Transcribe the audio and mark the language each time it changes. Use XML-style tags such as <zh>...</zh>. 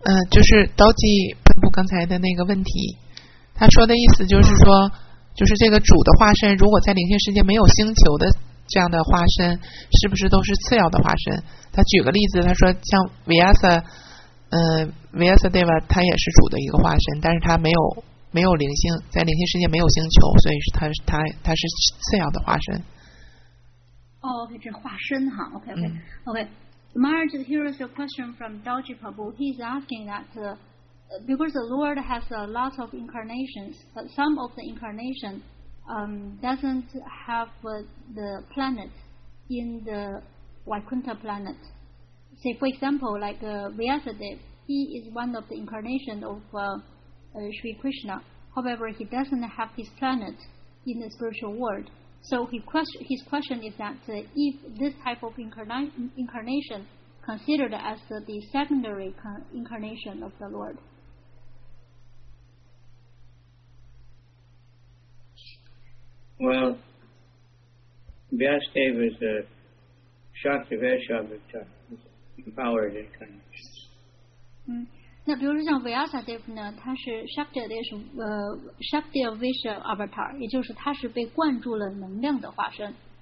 <zh>就是刀姬喷布刚才的那个问题，他说的意思就是说，就是这个主的化身，如果在灵性世界没有星球的这样的化身，是不是都是次要的化身？他举个例子，他说像 Vyasa， Vyasa Deva 他也是主的一个化身，但是他没有灵性，在灵性世界没有星球，所以他是次要的化身。</zh> <en>Okay. Maharaj, here is a question from Dalji Prabhu. He is asking that because the Lord has a lot of incarnations, but some of the incarnation doesn't have the planet in the Vaikuntha planet. Say, for example, like Vyasadeva, he is one of the incarnations of Sri Krishna. However, he doesn't have his planet in the spiritual world. So his question is that if this type of incarnation considered as the secondary incarnation of the Lord. Well, Vyasadeva is a Shakti Vaishavita, empowered incarnation.</en> <zh>那比如说像 Vyasadeva 呢，他是 Shakti Vaisha Avatar， 也就是他是被灌注了能量的化身。</zh>